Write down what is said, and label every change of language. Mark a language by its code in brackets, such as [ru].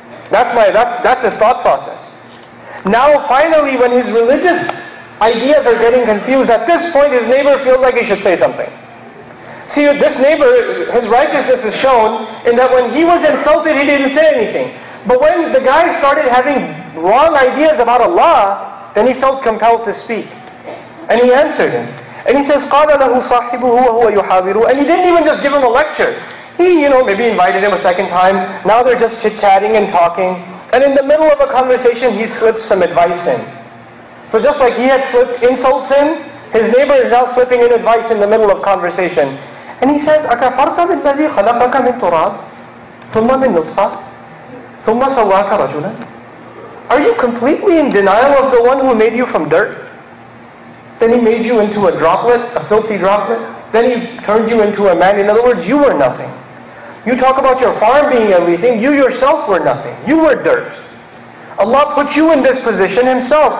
[en] That's his thought process. Now finally, when his religious ideas are getting confused, at this point his neighbor feels like he should say something. See, this neighbor, his righteousness is shown in that when he was insulted, he didn't say anything. But when the guy started having wrong ideas about Allah, then he felt compelled to speak. And he answered him. And he says, [ar] قَالَ لَهُ صَاحِبُهُ وَهُوَ يُحَاوِرُ. [en] And he didn't even just give him a lecture. He, you know, maybe invited him a second time. Now they're just chit-chatting and talking. And in the middle of a conversation, he slips some advice in. So just like he had slipped insults in, his neighbor is now slipping in advice in the middle of conversation. And he says, [ar] أَكَفَرْتَ بِالَّذِي خَلَقَكَ مِنْ تُرَابٍ ثُمَّ مِنْ نُطْفَةٍ ثُمَّ سَوَّاكَ رَجُلًا. [en] Are you completely in denial of the one who made you from dirt? Then he made you into a droplet, a filthy droplet. Then he turned you into a man. In other words, you were nothing. You talk about your farm being everything. You yourself were nothing. You were dirt. Allah put you in this position Himself.